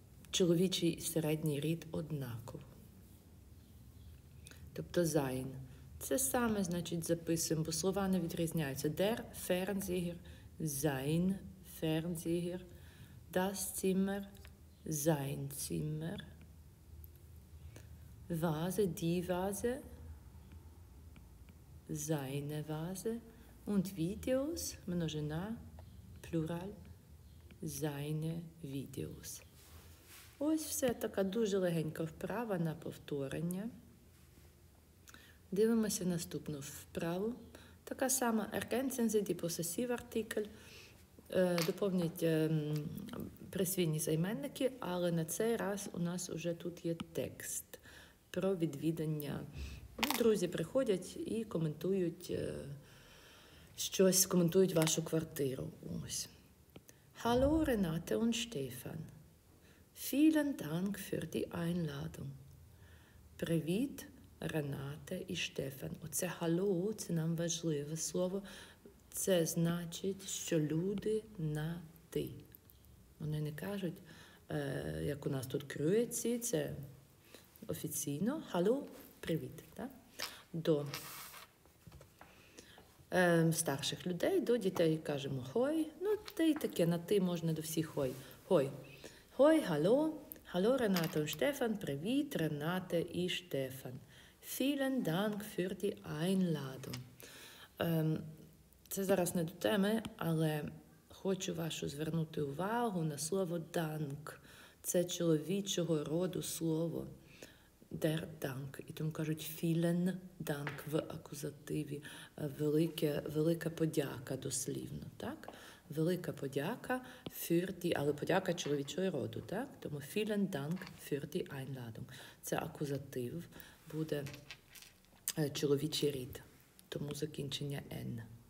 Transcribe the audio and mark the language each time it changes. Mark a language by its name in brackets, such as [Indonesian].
[Ukrainian] Чоловічий середній рід однаково. Тобто sein. Це саме, значить, записуємо, бо слова не відрізняються. [German] Der Fernseher, sein Fernseher, das Zimmer, sein Zimmer, Vase, die Vase, seine Vase und Videos, множина, plural, seine Videos. [Ukrainian] Ось все, така дуже легенька вправа на повторення. Дивимося наступну вправу. Така сама [German] Erkennen Sie die Possessivartikel. [Ukrainian] Доповнюють присвійні займенники, але на цей раз у нас уже тут є текст про відвідання. Друзі приходять і коментують вашу квартиру. Ось. [German] Hallo Renate und Stefan. Vielen Dank für die Einladung. [Ukrainian] Привіт, Ренате і Штефан. Оце «hallo» – це нам важливе слово. Це значить, що люди на «ти». Вони не кажуть як у нас тут крюєці, це офіційно. Халу, привіт. Так? До старших людей, до дітей кажемо хой. Ну, та й таке, на ти можна до всіх хой. Хой. Хой, халу. Халу, Ренато і Штефан. Привіт, Ренате і Штефан. [German] Vielen Dank für die Einladung. [Ukrainian] Це зараз не до теми, але хочу вашу звернути увагу на слово «данк». Це чоловічого роду слово «der Dank». І тому кажуть «vielen Dank» в акузативі. Велика подяка дослівно, так? Велика подяка für die, але подяка чоловічого роду, так? Тому [German] «vielen Dank für die Einladung». [Ukrainian] Це акузатив буде чоловічий рід, тому закінчення «n».